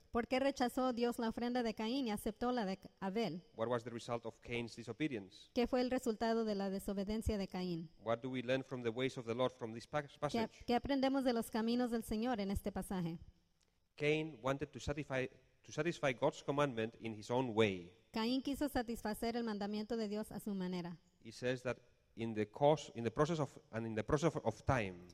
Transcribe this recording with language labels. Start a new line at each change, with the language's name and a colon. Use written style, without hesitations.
Spanish: ¿Por qué rechazó Dios la ofrenda de Caín y aceptó la de Abel?
English: What was the result of Cain's disobedience?
Spanish: ¿Qué fue el resultado de la desobediencia de Caín?
English: What do we learn from the ways of the Lord from this passage?
Spanish: ¿Qué aprendemos de los caminos del Señor en este pasaje?
English: Cain wanted to satisfy God's commandment in his own way.
Spanish: Caín quiso satisfacer el mandamiento de Dios a su manera.
English: He says that in the process of time.